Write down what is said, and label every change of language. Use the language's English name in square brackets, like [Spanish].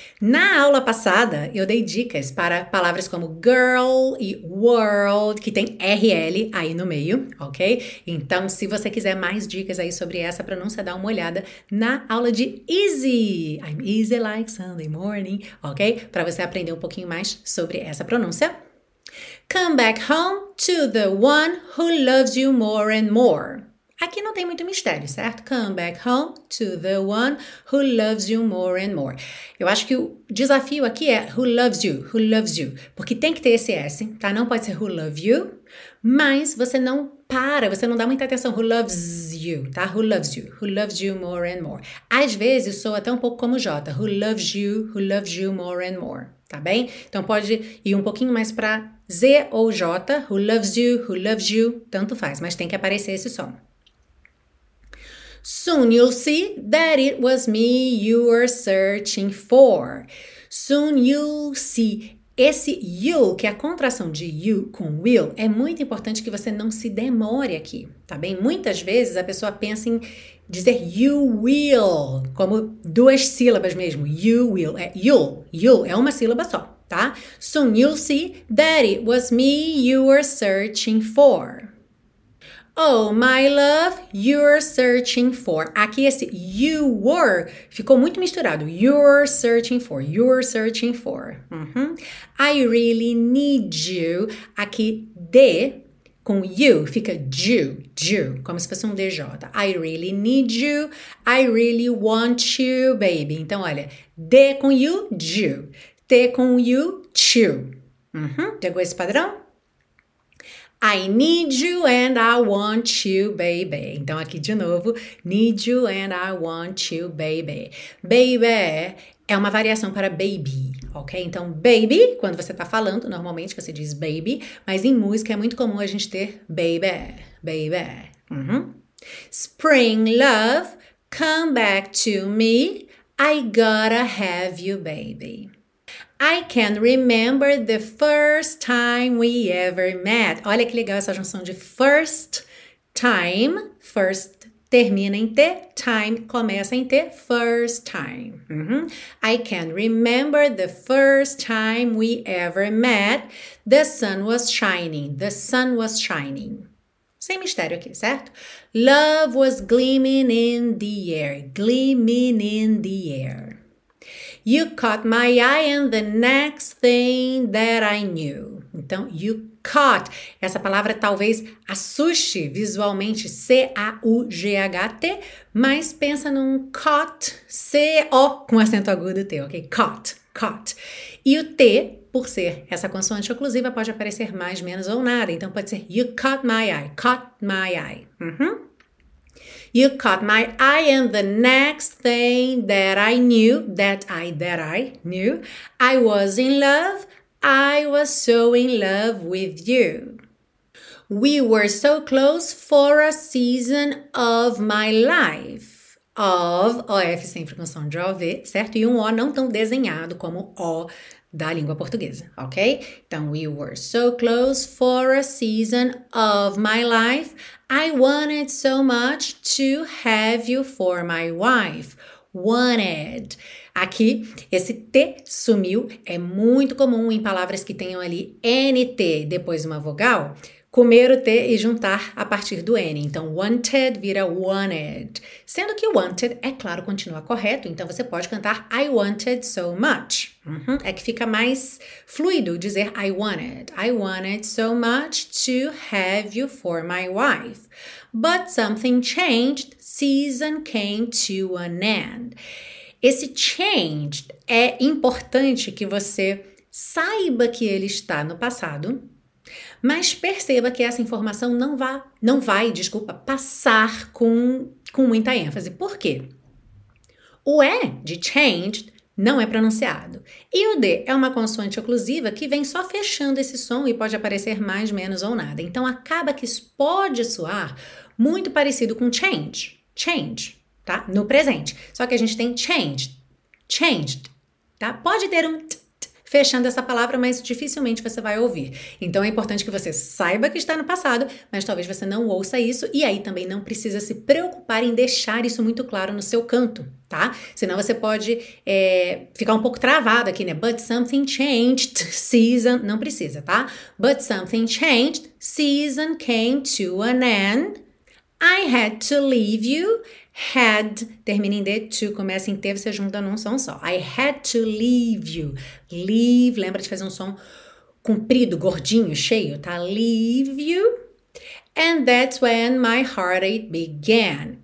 [Portuguese] Na aula passada, eu dei dicas para palavras como girl e world, que tem RL aí no meio, ok? Então, se você quiser mais dicas aí sobre essa pronúncia, dá uma olhada na aula de Easy. [English] I'm easy like Sunday morning, ok? [Portuguese] Para você aprender um pouquinho mais sobre essa pronúncia. [English] Come back home to the one who loves you more and more. [Portuguese] Aqui não tem muito mistério, certo? [English] Come back home to the one who loves you more and more. [Portuguese] Eu acho que o desafio aqui é [English] who loves you, [Portuguese] porque tem que ter esse S, tá? Não pode ser [English] who love you, [Portuguese] mas você não para, você não dá muita atenção, [English] who loves you, [Portuguese] tá? [English] Who loves you more and more. [Portuguese] Às vezes soa até um pouco como Jota, [English] who loves you more and more. [Portuguese] Tá bem? Então pode ir um pouquinho mais para Z ou J, [English] who loves you, [Portuguese] tanto faz, mas tem que aparecer esse som. [English] Soon you'll see that it was me you were searching for. Soon you'll see. [Portuguese] Esse you, que é a contração de you com will, é muito importante que você não se demore aqui, tá bem? Muitas vezes a pessoa pensa em dizer [English] you will, [Portuguese] como duas sílabas mesmo. You will, é you, you, é uma sílaba só, tá? [English] Soon you'll see that it was me you were searching for. Oh, my love, you're searching for. [Portuguese] Aqui esse you were ficou muito misturado. [English] You're searching for, you're searching for. I really need you. [Portuguese] Aqui de com you fica you, como se fosse um DJ. [English] I really need you. I really want you, baby. [Portuguese] Então, olha, de com you. Te com you, too. Pegou esse padrão? [English] I need you and I want you, baby. [Portuguese] Então, aqui de novo, [English] need you and I want you, baby. [Portuguese] Baby é uma variação para baby, ok? Então, baby, quando você tá falando, normalmente você diz baby, mas em música é muito comum a gente ter baby, baby. [English] Spring love, come back to me, I gotta have you, baby. I can remember the first time we ever met. [Portuguese] Olha que legal essa junção de first time. First termina em T, time começa em T, first time. [English] I can remember the first time we ever met. The sun was shining, the sun was shining. [Portuguese] Sem mistério aqui, certo? [English] Love was gleaming in the air, gleaming in the air. You caught my eye and the next thing that I knew. [Portuguese] Então, you caught. Essa palavra talvez assuste visualmente, C-A-U-G-H-T, mas pensa num caught, C-O com acento agudo T, ok? Caught, caught. E o T, por ser essa consoante oclusiva, pode aparecer mais, menos ou nada. Então, pode ser [English] you caught my eye, caught my eye. You caught my eye and the next thing that I knew, that I knew, I was in love, I was so in love with you. We were so close for a season of my life. [Portuguese] Of, OF sempre com som de OV, certo? E um O não tão desenhado como O da língua portuguesa, ok? [English] Então, we were so close for a season of my life. I wanted so much to have you for my wife. [Portuguese] Wanted. Aqui, esse T sumiu. É muito comum em palavras que tenham ali NT depois uma vogal, comer o T e juntar a partir do N. Então, wanted vira wanted. Sendo que wanted, é claro, continua correto. Então, você pode cantar [English] I wanted so much. [Portuguese] É que fica mais fluido dizer [English] I wanted. I wanted so much to have you for my wife. But something changed. Season came to an end. [Portuguese] Esse changed é importante que você saiba que ele está no passado. Mas perceba que essa informação não vai passar com muita ênfase. Por quê? O E de changed não é pronunciado. E o D é uma consoante oclusiva que vem só fechando esse som e pode aparecer mais, menos ou nada. Então, acaba que isso pode soar muito parecido com change. Change, tá? No presente. Só que a gente tem changed. Changed, tá? Pode ter um fechando essa palavra, mas dificilmente você vai ouvir. Então, é importante que você saiba que está no passado, mas talvez você não ouça isso, e aí também não precisa se preocupar em deixar isso muito claro no seu canto, tá? Senão você pode ficar um pouco travado aqui, né? [English] But something changed, season... [Portuguese] Não precisa, tá? [English] But something changed, season came to an end. I had to leave you. [Portuguese] Had, termina em D, to, começa em T, você junta num som só. [English] I had to leave you. [Portuguese] Leave, lembra de fazer um som comprido, gordinho, cheio, tá? [English] Leave you. And that's when my heartache began.